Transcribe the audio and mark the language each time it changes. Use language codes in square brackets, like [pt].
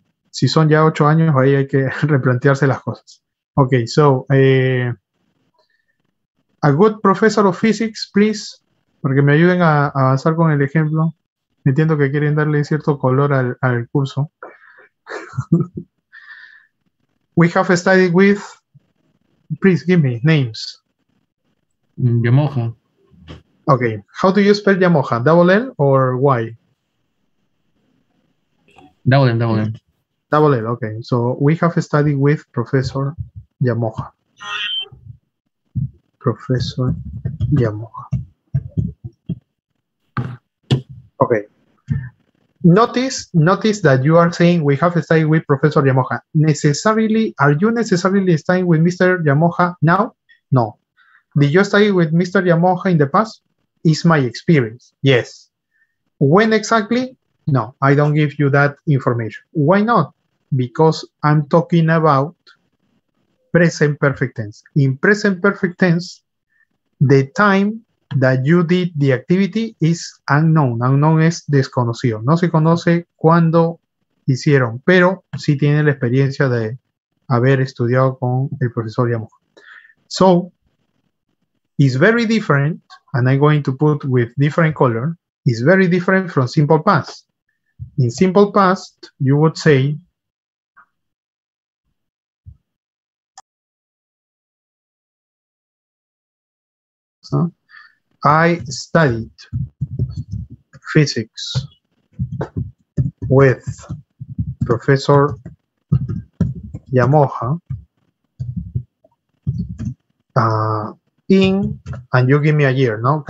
[es] Si son ya 8 años, ahí hay que replantearse las cosas. [en] Ok, so, a good professor of physics, please, [es] para que me ayuden a avanzar con el ejemplo. Entiendo que quieren darle cierto color al curso. [en] We have studied with, please give me names. Yamoha. Okay, how do you spell Yamoha? Double L or Y? Double L. Double L, okay. So we have studied with Professor Yamoha. Professor Yamoha. Okay. Notice that you are saying we have studied with Professor Yamoha. Necessarily, are you necessarily studying with Mr. Yamoha now? No. Did you study with Mr. Yamoha in the past? Is my experience. Yes. When exactly? No, I don't give you that information. Why not? Because I'm talking about present perfect tense. In present perfect tense, the time that you did the activity is unknown. [es] Unknown es desconocido. No se conoce cuándo hicieron, pero sí tiene la experiencia de haber estudiado con el profesor Yamoha. [en] So, it's very different, and I'm going to put with different color, it's very different from simple past. In simple past, you would say, I studied physics with Professor Yamoha in, and you give me a year, no?